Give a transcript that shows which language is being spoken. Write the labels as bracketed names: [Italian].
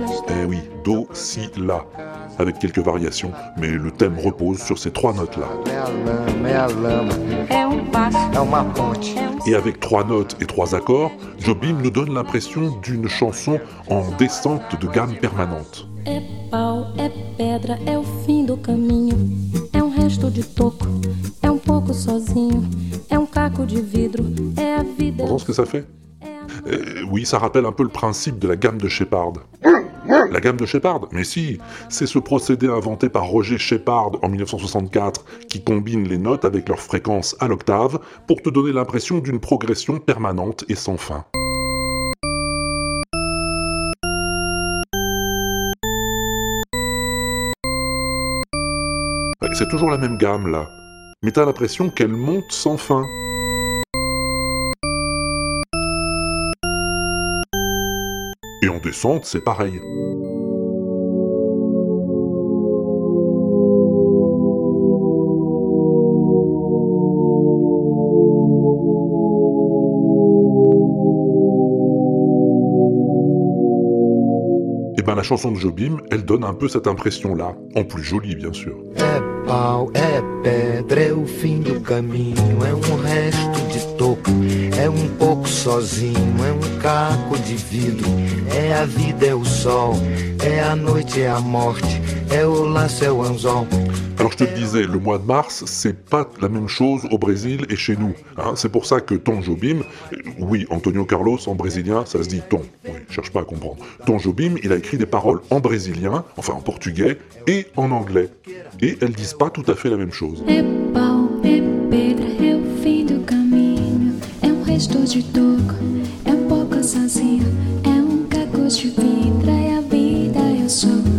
[French] Eh oui, do, si, la, avec quelques variations, mais le thème repose sur ces 3 notes-là. Et avec 3 notes et 3 accords, Jobim nous donne l'impression d'une chanson en descente de gamme permanente. [Portuguese] É pau, é pedra, é o fim do caminho. É um resto de toco, é um pouco sozinho. É um caco de vidro, é a vida. [French] Vous voyez ce que ça fait? Oui, ça rappelle un peu le principe de la gamme de Shepard. La gamme de Shepard? Mais si, c'est ce procédé inventé par Roger Shepard en 1964 qui combine les notes avec leur fréquence à l'octave pour te donner l'impression d'une progression permanente et sans fin. C'est toujours la même gamme là, mais t'as l'impression qu'elle monte sans fin. Et en descente, c'est pareil. Et ben la chanson de Jobim, elle donne un peu cette impression-là, en plus jolie bien sûr. [Portuguese] É pau, é pedra, é o fim do caminho, é um resto de toco, é um pouco sozinho, é um caco de vidro, é a vida, é o sol, é a noite, é a morte, é o laço, é o anzol. [French] Alors je te le disais, le mois de mars, c'est pas la même chose au Brésil et chez nous. Hein. C'est pour ça que Tom Jobim, oui, Antônio Carlos en brésilien, ça se dit Tom, oui, cherche pas à comprendre. Tom Jobim, il a écrit des paroles en brésilien, enfin en portugais, et en anglais. Et elles disent pas tout à fait la même chose. [Portuguese] É pau, é pedra, é o fim do caminho. É um resto de toco, é um pouco sozinho. É um caco de vidro, é a vida, eu sou.